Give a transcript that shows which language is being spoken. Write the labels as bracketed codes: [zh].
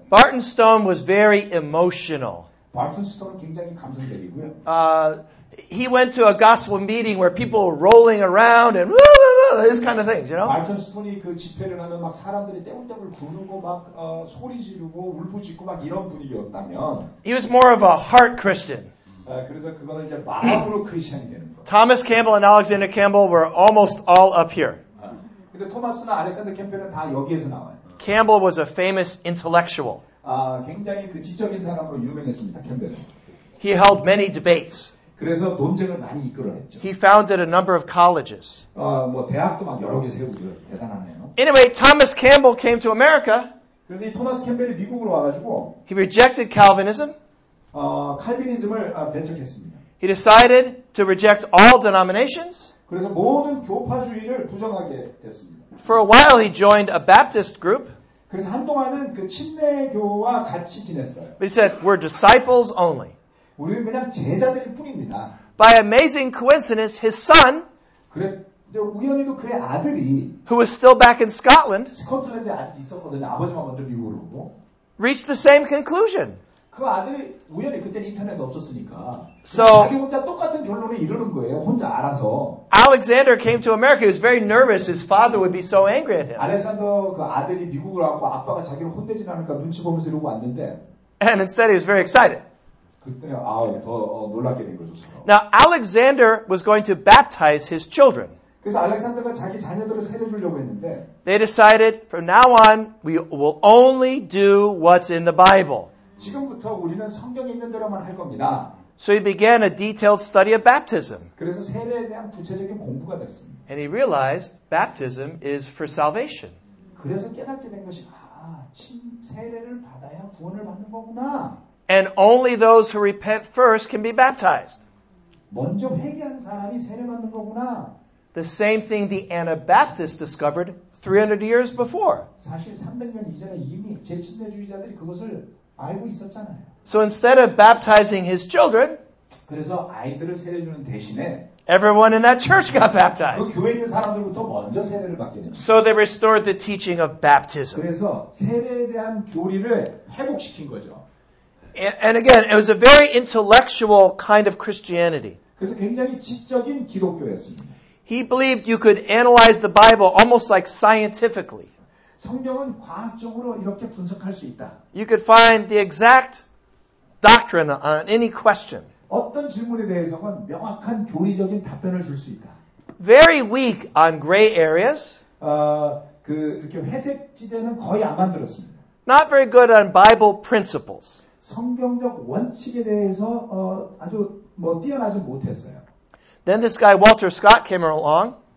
[en] Barton Stone was very emotional. [ko] Barton Stone 굉장히 감성적이고요. [en] He went to a gospel meeting where people were rolling around and woo, woo, woo, this kind of things, you know. [ko] Barton Stone이 그 집회를 하면 막 사람들이 떼굴떼굴 구르고 막 소리 지르고 울부짖고 막 이런 분위기였다면. [en] He was more of a heart Christian. [ko] 그래서 그거는 이제 마음으로 크리스천이 되는 거예요. [en] Thomas Campbell and Alexander Campbell were almost all up here. [ko] 근데 토마스나 알렉산더 캠벨은 다 여기에서 나와요. [en] Campbell was a famous intellectual. [ko] 굉장히 그 지적인 사람으로 유명했습니다, 캠벨은. [en] He held many debates. [ko] 그래서 논쟁을 많이 이끌어냈죠. [en] He founded a number of colleges. [ko] 뭐 대학도 막 여러 개 세우고 대단하네요. [en] Anyway, Thomas Campbell came to America. [ko] 그래서 이 토마스 캠벨이 미국으로 와가지고. [en] He rejected Calvinism. [ko] 칼빈이즘을 배척했습니다. [en] He decided to reject all denominations. [ko] 그래서 모든 교파주의를 부정하게 됐습니다. [en] For a while, he joined a Baptist group. [ko] 그래서 한동안은 그 침례교와 같이 지냈어요. [en] But he said, "We're disciples only." [ko] 우리는 그냥 제자들일 뿐입니다. [en] By amazing coincidence, his son, [ko] 그래, 우연히도 그의 아들이, [en] who was still back in Scotland, [ko] 스코틀랜드에 아직 있었거든요. 아버지만 먼저 미국으로 오고, [en] reached the same conclusion. [ko] 그 아들이 우연히 그때는 인터넷 없었으니까. [en] So, [ko] 자기 혼자 똑같은 결론에 이르는 거예요. 혼자 알아서. [en] Alexander came to America. He was very nervous. His father would be so angry at him. [ko] 알렉산더 그 아들이 미국으로 왔고 아빠가 자기를 혼내지 않을까 눈치 보면서 이러고 왔는데. [en] And instead, he was very excited. [ko] 놀랍게 된 거죠. [en] Now Alexander was going to baptize his children. [ko] 그래서 알렉산더가 자기 자녀들을 세례주려고 했는데. [en] They decided from now on we will only do what's in the Bible. [ko] 지금부터 우리는 성경에 있는 대로만 할 겁니다. [en] So he began a detailed study of baptism. [ko] 그래서 세례에 대한 구체적인 공부가 됐습니다. [en] And he realized baptism is for salvation. [ko] 그래서 깨닫게 된 것이 세례를 받아야 구원을 받는 거구나. [en] And only those who repent first can be baptized. [ko] 먼저 회개한 사람이 세례 받는 거구나. [en] The same thing the Anabaptists discovered 300 years before. [ko] 사실 300년 이전에 이미 제침례주의자들이 그것을 알고 있었잖아요. [en] So instead of baptizing his children, [ko] 그래서 아이들을 세례 주는 대신에 [en] everyone in that church got baptized. [ko] 그 교회 있는 사람들부터 먼저 세례를 받게 됩니다. [en] So they restored the teaching of baptism. [ko] 그래서 세례에 대한 교리를 회복시킨 거죠. [en] And again, it was a very intellectual kind of Christianity. [ko] 그래서 굉장히 지적인 기독교였습니다. [en] He believed you could analyze the Bible almost like scientifically. [ko] 성경은 과학적으로 이렇게 분석할 수 있다. [en] You could find the exact doctrine on any question. [ko] 어떤 질문에 대해서는 명확한 교리적인 답변을 줄 수 있다. [en] Very weak on gray areas. [ko] 이렇게 회색 지대는 거의 안 만들었습니다. [en] Not very good on Bible principles. [ko] 성경적 원칙에 대해서 아주 뭐 뛰어나지 못했어요. [en] Then this guy Walter Scott came along.